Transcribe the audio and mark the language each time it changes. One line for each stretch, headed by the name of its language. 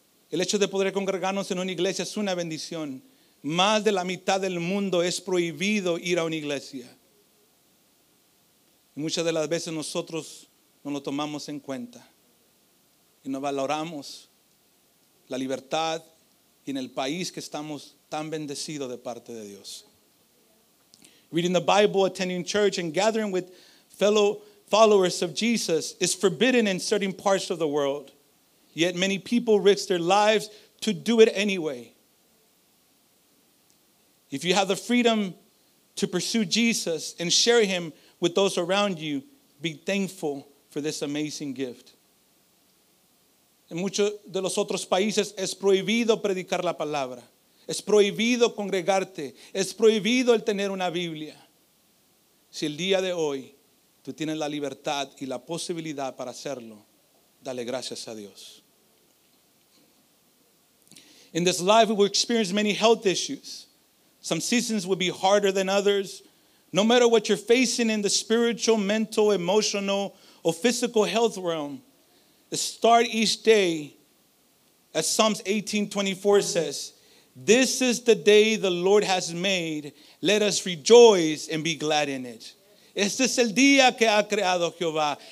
Spanish: El hecho de poder congregarnos en una iglesia es una bendición. Más de la mitad del mundo es prohibido ir a una iglesia. Y muchas de las veces nosotros no lo tomamos en cuenta. y no valoramos la libertad y en el país que estamos tan bendecido de parte de Dios.
English: Reading the Bible, attending church, and gathering with fellow followers of Jesus is forbidden in certain parts of the world. Yet many people risk their lives to do it anyway. If you have the freedom to pursue Jesus and share him with those around you, be thankful for this amazing gift. En muchos de los otros países es prohibido predicar la palabra. Es prohibido congregarte. Es prohibido el tener una Biblia. Si el día de hoy tú tienes la libertad y la posibilidad para hacerlo, dale gracias a Dios. In this life, we will experience many health issues. Some seasons will be harder than others. No matter what you're facing in the spiritual, mental, emotional, or physical health realm, start each day, as Psalms 18:24 says, "This is the day the Lord has made. Let us rejoice and be glad in it."
Spanish: Este es el día que ha creado Jehová.